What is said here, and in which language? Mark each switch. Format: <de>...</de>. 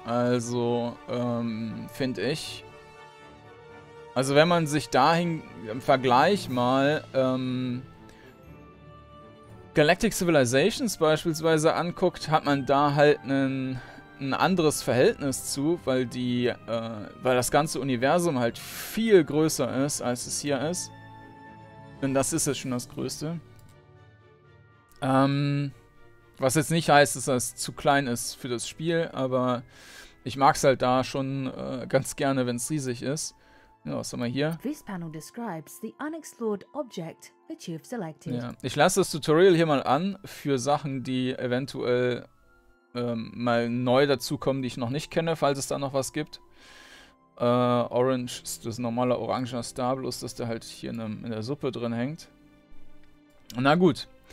<de>Also, finde ich. Also, wenn man sich dahin im Vergleich mal Galactic Civilizations beispielsweise anguckt, hat man da halt ein anderes Verhältnis zu, weil die, weil das ganze Universum halt viel größer ist, als es hier ist. Und das ist jetzt schon das Größte. Was jetzt nicht heißt, dass das zu klein ist für das Spiel, aber ich mag es halt da schon ganz gerne, wenn es riesig ist. Ja, was haben wir hier?</de> <en>This panel describes the unexplored object that you've selected.</en> <de>Ja. Ich lasse das Tutorial hier mal an für Sachen, die eventuell mal neu dazukommen, die ich noch nicht kenne, falls es da noch was gibt. Orange ist das normale orange Star, bloß dass der halt hier in der Suppe drin hängt. Na gut.</de>